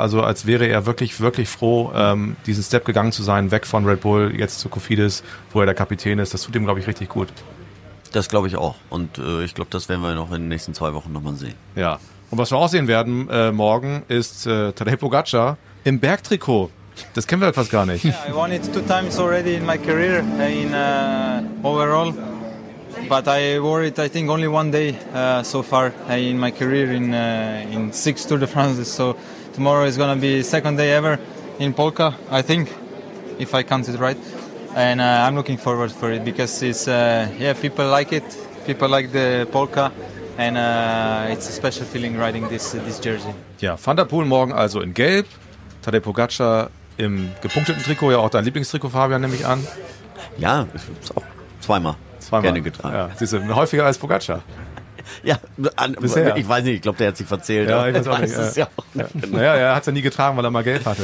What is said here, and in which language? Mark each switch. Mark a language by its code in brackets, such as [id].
[de] Also als wäre er wirklich, wirklich froh, diesen Step gegangen zu sein, weg von Red Bull, jetzt zu Cofidis, wo er der Kapitän ist. Das tut ihm, glaube ich, richtig gut. Das glaube ich auch. Und ich glaube, das werden wir noch in den nächsten 2 Wochen nochmal sehen. Ja. Und was wir auch sehen werden morgen, ist Tadej Pogacar im Bergtrikot. Das kennen wir fast gar nicht. [en] Yeah, I won it 2 times already in my career in overall, but I wore it I think only one day so far in my career in 6 Tour de France. So tomorrow is gonna be second day ever in Polka, I think, if I count it right. And I'm looking forward for it because it's people like it, people like the Polka. And it's a special feeling riding this jersey. [de] Ja, Van der Poel morgen also in Gelb. Tadej Pogacar im gepunkteten Trikot, ja auch dein Lieblingstrikot, Fabian, nehme ich an. Ja, ich habe es auch zweimal gerne getragen. Ja, siehst du, häufiger als Pogacar. Ja, bisher. Ich weiß nicht, ich glaube, der hat sich verzählt. Ja, ich weiß auch nicht. Ja. Naja, er hat es ja nie getragen, weil er mal Gelb hatte.